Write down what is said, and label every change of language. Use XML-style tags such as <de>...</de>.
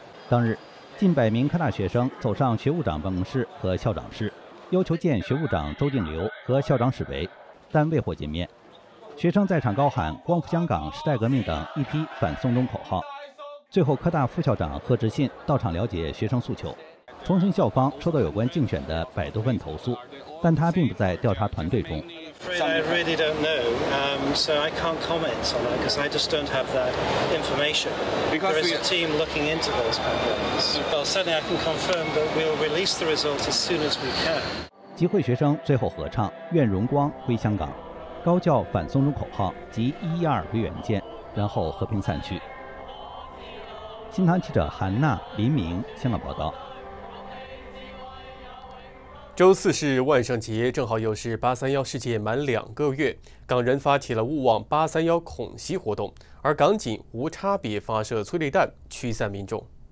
<zh>当日，近百名科大学生走上学务长办公室和校长室，要求见学务长周静流和校长史维，但未获见面。学生在场高喊"光复香港、时代革命"等一批反送中口号。最后科大副校长贺志信到场了解学生诉求。重庆校方收到有关竞选的百多份投诉，但他并不在调查团队中。</zh> <en>I really don't know, so I can't comment on that because I just don't have that information. There is a team looking into those complaints. Well, certainly I can confirm that we'll release the results as soon as we can.</en> <zh>集会学生最后合唱《愿荣光归香港》，高叫反送中口号及“一一二”为原件，然后和平散去。新唐记者韩娜、林明，香港报道。周四是万圣节，正好又是八三幺事件满两个月，港人发起了勿忘八三幺恐袭活动，而港警无差别发射催泪弹驱散民众。</zh>